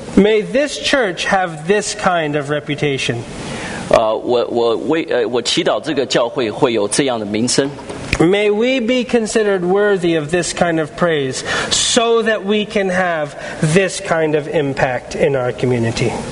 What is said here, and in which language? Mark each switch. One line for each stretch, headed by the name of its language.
English: May this church have this kind of reputation.
Chinese: 我祈祷这个教会会有这样的名声。
English: May we be considered worthy of this kind of praise so that we can have this kind of impact in our community.